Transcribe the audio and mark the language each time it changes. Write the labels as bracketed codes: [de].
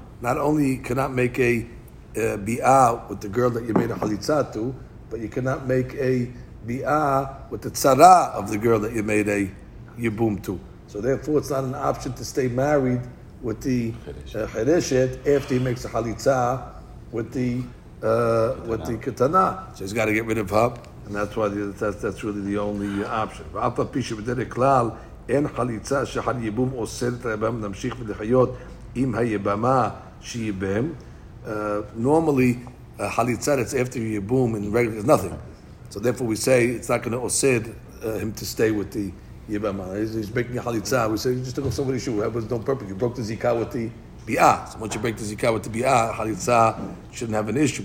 [en] Not only you cannot make a bi'ah with the girl that you made a halitza to, but you cannot make a bi'ah with the tzara of the girl that you made a yibum to. So therefore, it's not an option to stay married with the chereshet after he makes a halitza with the ketana. So he's got to get rid of her. And that's why that's really the only option. [he] ואף פי שבדרך כלל אין חליצה שחל יבום אוסר את היבם להמשיך ולחיות עם היבמה שיבם. [en] Normally, חליצה that's after יבום in regular, is nothing. So therefore we say it's not going to אוסר him to stay with the יבמה. He's making a חליצה. We say, you just took off somebody's shoe. That was no purpose. You broke the זיקה with the ביאה. So once you break the זיקה with the ביאה, חליצה shouldn't have an issue.